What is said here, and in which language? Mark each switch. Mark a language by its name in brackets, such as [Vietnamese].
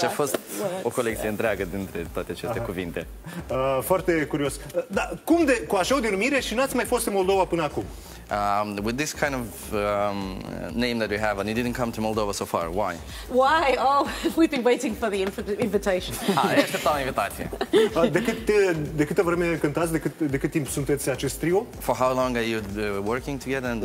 [Romanian] Deci a fost o colecție întreagă dintre toate aceste cuvinte. Foarte curios. Dar cum de, cu așa o denumire și n-ați mai fost în Moldova până acum? [English] With this kind of name that we have, and you didn't come to Moldova so far, why? Why? Oh, we've been waiting for the invitation. [Romanian] Așteptam invitația. De câte vreme cântați, de cât timp sunteți acest trio? [English] For how long are you working together and